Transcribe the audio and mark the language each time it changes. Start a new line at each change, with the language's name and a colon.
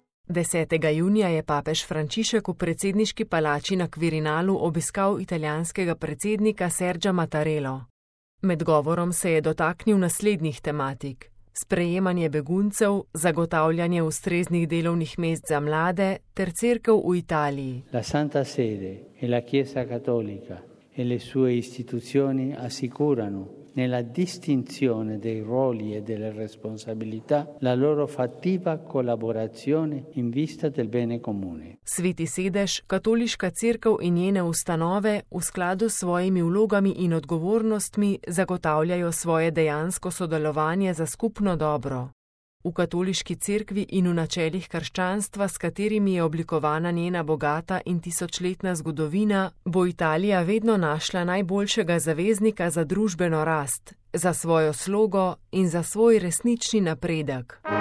Slovenian: Desetega junija je papež Frančišek v predsedniški palači na Kvirinalu obiskal italijanskega predsednika Sergia Mattarello. Med govorom se je dotaknil naslednjih tematik: sprejemanje beguncev, zagotavljanje ustreznih delovnih mest za mlade ter cerkev v Italiji.
Italian: La Santa Sede e la Chiesa Cattolica e le sue istituzioni assicurano nella distinzione dei ruoli e delle responsabilità la loro fattiva collaborazione in vista del bene comune.
Slovenian: Sveti sedež, katoliška cerkev in njene ustanove v skladu s svojimi vlogami in odgovornostmi zagotavljajo svoje dejansko sodelovanje za skupno dobro. V katoliški cerkvi in v načelih krščanstva, s katerimi je oblikovana njena bogata in tisočletna zgodovina, bo Italija vedno našla najboljšega zaveznika za družbeno rast, za svojo slogo in za svoj resnični napredek.